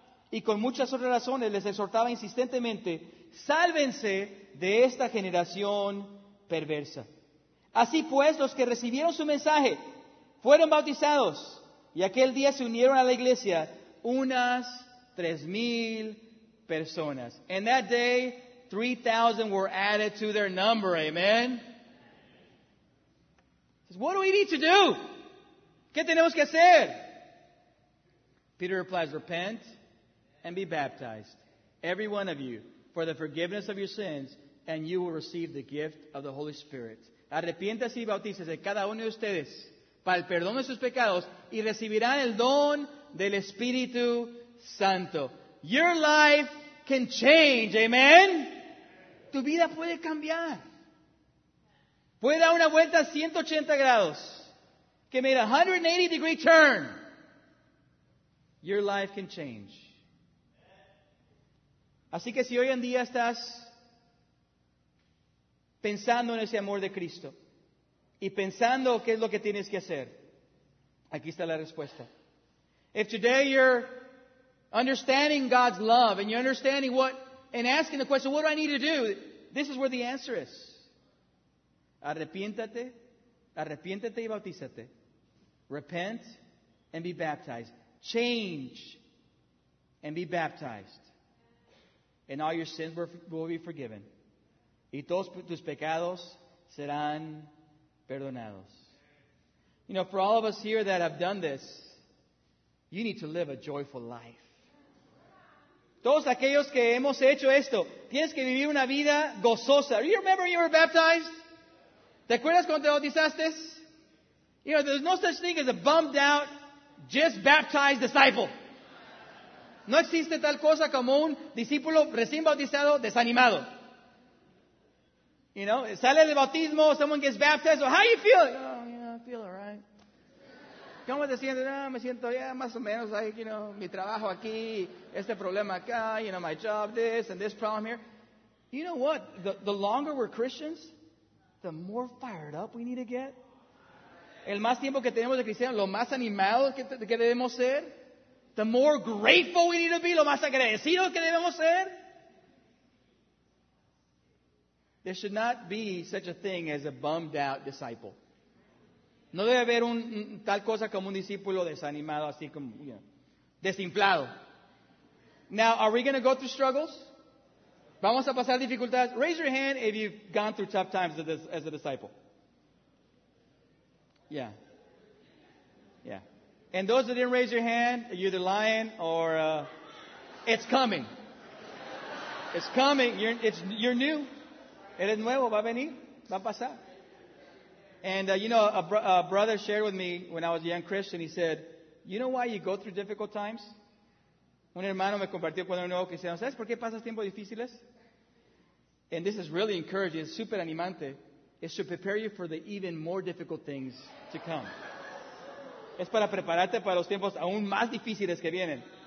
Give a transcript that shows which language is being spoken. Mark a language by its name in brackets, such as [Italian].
[Spanish] Y con muchas otras razones les exhortaba insistentemente, sálvense de esta generación perversa. Así pues, los que recibieron su mensaje fueron bautizados y aquel día se unieron a la iglesia unas 3,000 personas. [English] And that day, 3,000 were added to their number. Amen. What do we need to do? [Spanish] ¿Qué tenemos que hacer? [English] Peter replies, repent and be baptized, every one of you, for the forgiveness of your sins, and you will receive the gift of the Holy Spirit. [Spanish] Arrepiéntase y bautícese cada uno de ustedes para el perdón de sus pecados y recibirán el don del Espíritu Santo. [English] Your life can change, amen? [Spanish] Tu vida puede cambiar. Puede dar una vuelta a 180 grados. [English] Que made a 180 degree turn. Your life can change. [Spanish] Así que si hoy en día estás pensando en ese amor de Cristo y pensando qué es lo que tienes que hacer, aquí está la respuesta. [English] If today you're understanding God's love and you're understanding what and asking the question, what do I need to do? This is where the answer is. [Spanish] Arrepiéntate, arrepiéntate y bautízate. [English] Repent and be baptized. Change and be baptized. And all your sins will be forgiven. [Spanish] Y todos tus pecados serán perdonados. [English] You know, for all of us here that have done this, you need to live a joyful life. [Spanish] Todos aquellos que hemos hecho esto, tienes que vivir una vida gozosa. [English] Do you remember you were baptized? [Spanish] ¿Te acuerdas cuando te bautizaste? [English] You know, there's no such thing as a bummed out, just baptized disciple. [Spanish] No existe tal cosa como un discípulo recién bautizado, desanimado. [English] You know, [Spanish] sale del bautismo, [English] someone gets baptized, so how you feel? Oh, yeah, I feel all right. [Spanish] ¿Cómo te sientes? [English] Oh, [Spanish] me siento, [English] yeah, [Spanish] más o menos, [English] like, you know, [Spanish] mi trabajo aquí, este problema acá, [English] you know, my job, this, and this problem here. You know what? The longer we're Christians, the more fired up we need to get. [Spanish] El más tiempo que tenemos de cristiano, lo más animados que debemos ser. [English] The more grateful we need to be, [Spanish] lo más agradecidos que debemos ser. [English] There should not be such a thing as a bummed out disciple. [Spanish] No debe haber un tal cosa como un discípulo desanimado, así como, you know, desinflado. [English] Now, are we going to go through struggles? [Spanish] Vamos a pasar dificultades. [English] Raise your hand if you've gone through tough times as a disciple. Yeah. Yeah. And those that didn't raise your hand, you're either lying or it's coming. It's coming. You're new. [Spanish] Eres nuevo. Va a venir. Va a pasar. [English] And, you know, a brother shared with me when I was a young Christian. He said, you know why you go through difficult times? [Spanish] Un hermano me compartió cuando era nuevo cristiano. ¿Sabes por qué pasas tiempos difíciles? [English] And this is really encouraging. It's super animante. It should prepare you for the even more difficult things to come. [Spanish] Es para prepararte para los tiempos aún más difíciles que vienen.